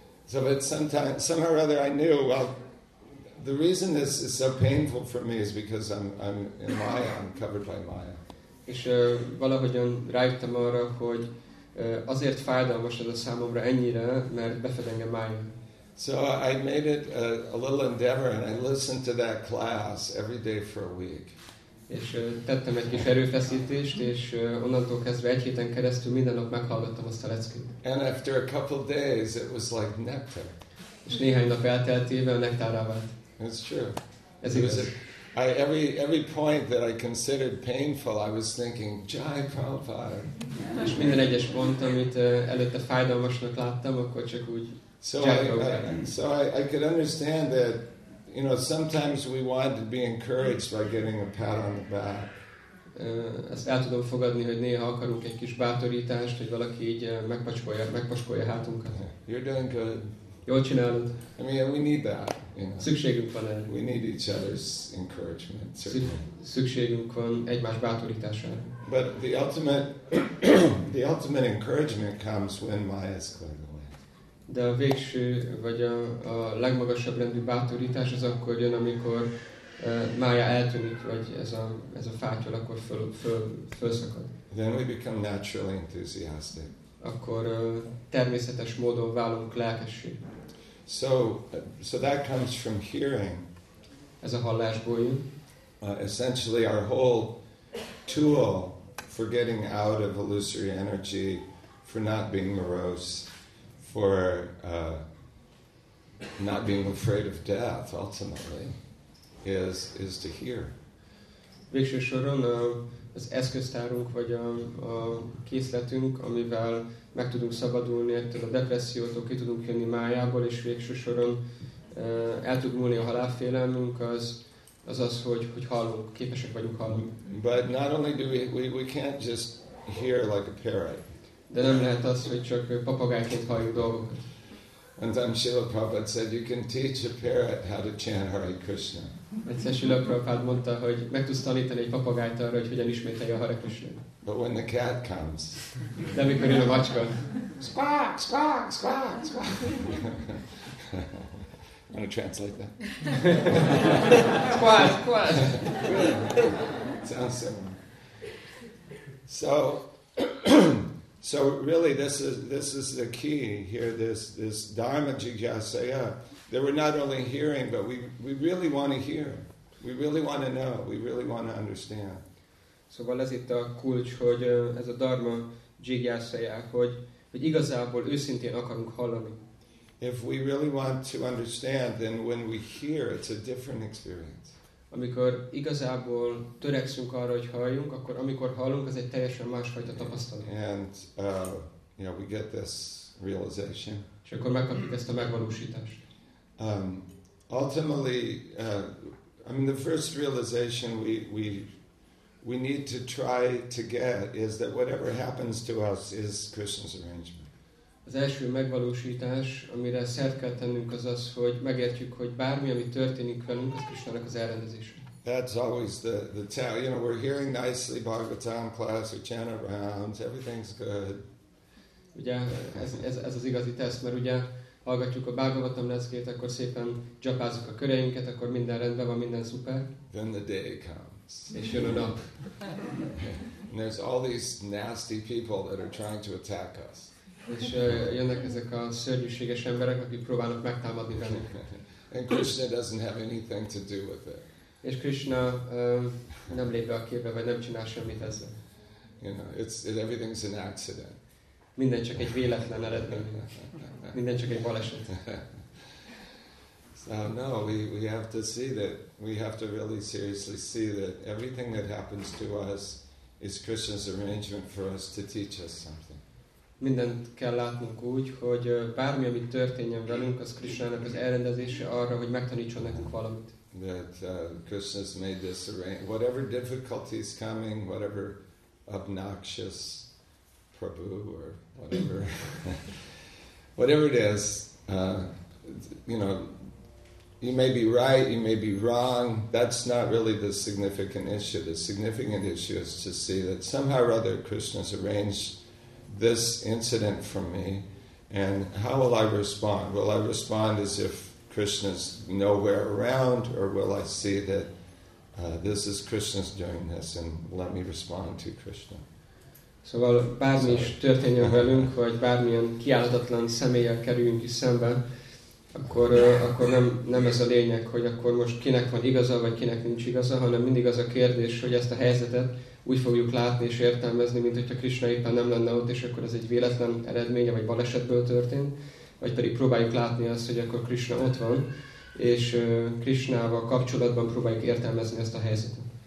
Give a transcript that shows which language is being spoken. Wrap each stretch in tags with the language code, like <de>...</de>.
<en>So but somehow or other I knew, well, the reason this is so painful for me is because I'm in Maya, I'm covered by Maya.</en> <hu>És valahogyan rájöttem arra, hogy azért fájdalmas ez a számomra ennyire, mert befed engem Maya.</hu> <en>So I made it a little endeavor, and I listened to that class every day for a week.</en> <hu>És tettem egy kis erőfeszítést, és onnantól kezdve egy héten keresztül minden nap meghallgattam azt a leckét.</hu> <en>And after a couple days, it was like nectar.</en> <hu>És néhány nap elteltével nektárrá vált.</hu> <en>It's true.</en> <hu>Ez igaz.</hu> <en>Every point that I considered painful, I was thinking, Jai Prabhupada.</en> <hu>És minden egyes pont, amit előtte fájdalmasnak láttam, akkor csak úgy,</hu> <sa>Jai Prabhupada.</sa> <en>So I could understand that, you know, sometimes we want to be encouraged by getting a pat on the back.</en> <hu>Ezt el tudom fogadni, hogy néha akarunk egy kis bátorítást, hogy valaki így megpaskolja hátunkat.</hu> <en>You're doing good.</en> <hu>Jól csinálod.</hu> <en>I mean, we need that. You know.</en> <hu>Szükségünk van erre.</hu> <en>We need each other's encouragement.</en> <hu>Szükségünk van egymás bátorítására.</hu> <en>But the ultimate encouragement comes when Maya is clear.</en> <hu>De a végső, vagy a legmagasabb rendű bátorítás az akkor jön, amikor Maya eltűnik, vagy ez a fátyol akkor felszakad.</hu> <en>Then we become naturally enthusiastic.</en> <hu>Akkor természetes módon válunk lelkessé.</hu> <en>So that comes from hearing.</en> <hu>Ez a hallásból jön.</hu> <en>Essentially our whole tool for getting out of illusory energy, for not being morose, for not being afraid of death, ultimately, is to hear.</en> <hu>Végső soron az eszköztárunk, vagy a készletünk, amivel meg tudunk szabadulni ettől a depressziótól, ki tudunk jönni májából, és végső soron el tud múlni a halálfélelmünk, az, hogy hallunk, képesek vagyunk hallani.</hu> <en>But not only do we can't just hear like a parrot.</en> <hu>De nem lehet az, hogy csak papagájként halljuk dolgokat.</hu> <en>And then Srila Prabhupada said, you can teach a parrot how to chant Hare Krishna.</en> <hu>Egyszer Srila Prabhupada mondta, hogy meg tudsz tanítani egy papagájt arra, hogy hogyan ismételje a Hare Krishna.</hu> <en>But when the cat comes.</en> <hu>De mikor jön a macska.</hu> <en>Squawk, squawk, squawk, squawk. Want to translate that? Squawk, squawk. Sounds similar. So... So really, this is the key here. This dharma jigyasaya. That we're not only hearing, but we really want to hear. We really want to know. We really want to understand. So what is it</en> <hu>a kulcs, hogy ez a dharma jigyasaya, hogy igazából őszintén akarunk hallani?</hu> <en>If we really want to understand, then when we hear, it's a different experience.</en> <hu>amikor igazából törekszünk arra, hogy halljunk, akkor amikor hallunk, ez egy teljesen másfajta tapasztalat.</hu> <en>And you know, we get this realization.</en> <hu>És akkor megkapjuk ezt a megvalósítást.</hu> <en>Ultimately, I mean, the first realization we need to try to get is that whatever happens to us is Krishna's arrangement.</en> <hu>Az első megvalósítás, amire szert kell tennünk, az az, hogy megértjük, hogy bármi, ami történik velünk, az Krisnának az elrendezése.</hu> <en>That's always the tell. You know, we're hearing nicely Bhagavatam class, we're chanting around, everything's good.</en> <hu>Ugye, ez az igazi teszt, mert ugye hallgatjuk a Bhagavatam leckét, akkor szépen japázzuk a köreinket, akkor minden rendben van, minden szuper.</hu> <en>Then the day comes.</en> <hu>És jön a nap.</hu> <en>And there's all these nasty people that are trying to attack us.</en> <hu>És jönnek ezek a szörnyűséges emberek, akik próbálnak megtámadni bennünk.</hu> <en>And Krishna doesn't have anything to do with it.</en> <hu>És Krishna nem lép be a képbe, vagy nem csinál semmit ezzel.</hu> <en>You know, everything's an accident.</en> <hu>Minden csak egy véletlen eredmény. Minden csak egy baleset.</hu> <en>So no, we have to see that, we have to really seriously see that everything that happens to us is Krishna's arrangement for us to teach us something.</en> <hu>Mindent kell látnunk úgy, hogy bármi, ami történjen velünk, az Krisnának az elrendezése arra, hogy megtanítson nekünk valamit.</hu> <en>That Krishna's made this arrangement. Whatever difficulties coming, whatever obnoxious Prabhu or whatever, whatever it is, you know, you may be right, you may be wrong. That's not really the significant issue. The significant issue is to see that somehow or other Krishna's arranged this incident for me, and how will I respond? Will I respond as if Krishna's nowhere around, or will I see that this is Krishna's doing this, and let me respond to Krishna?</en> <hu>Szóval bármi is történjen velünk, vagy bármilyen kiáldatlan személlyel kerüljünk is szembe, akkor nem ez a lényeg, hogy akkor most kinek van igaza, vagy kinek nincs igaza, hanem mindig az a kérdés, hogy ezt a helyzetet úgy fogjuk látni és értelmezni, mint hogyha Krishna éppen nem lenne ott, és akkor ez egy véletlen eredménye, vagy balesetből történt, vagy pedig próbáljuk látni azt, hogy akkor Krishna ott van, és Krishnával kapcsolatban próbáljuk értelmezni ezt a helyzetet.</hu>